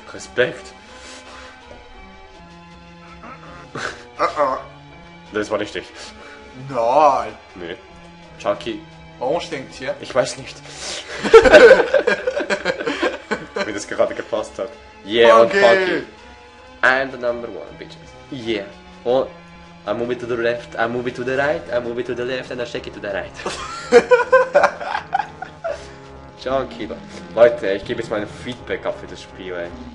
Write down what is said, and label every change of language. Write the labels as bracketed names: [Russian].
[German] Respekt. Das war nicht dich. Nein. Nee. Chunky. Warum stinkt hier? Ich weiß nicht. Wie das gerade gepasst hat. [English] Yeah, okay. [German] Und Funky. [English] I'm the number one, bitches. Yeah. Oh, I move it to the left, I move it to the right, I move it to the left, and I shake it to the right. John Kilo. [German] Leute, ich gebe jetzt mein Feedback ab für das Spiel, ey.